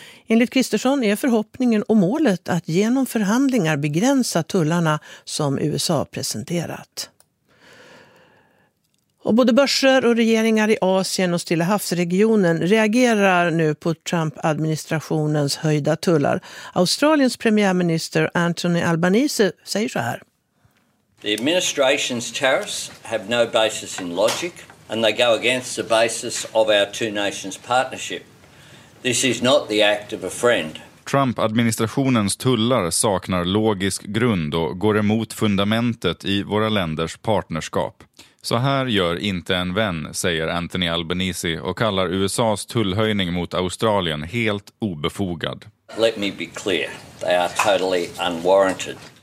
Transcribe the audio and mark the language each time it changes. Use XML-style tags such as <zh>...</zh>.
<sv>Enligt Kristersson är förhoppningen och målet att genom förhandlingar begränsa tullarna som USA presenterat. Och både börser och regeringar i Asien och Stilla havsregionen reagerar nu på Trump-administrationens höjda tullar. Australiens premiärminister Anthony Albanese säger så här.</sv> <en>The administration's tariffs have no basis in logic and they go against the basis of our two nations partnership. This is not the act of a friend.</en> <sv>Trump-administrationens tullar saknar logisk grund och går emot fundamentet i våra länders partnerskap. Så här gör inte en vän, säger Anthony Albanese och kallar USA:s tullhöjning mot Australien helt obefogad.</sv> <en>Let me be clear. They are totally unwarranted.</en>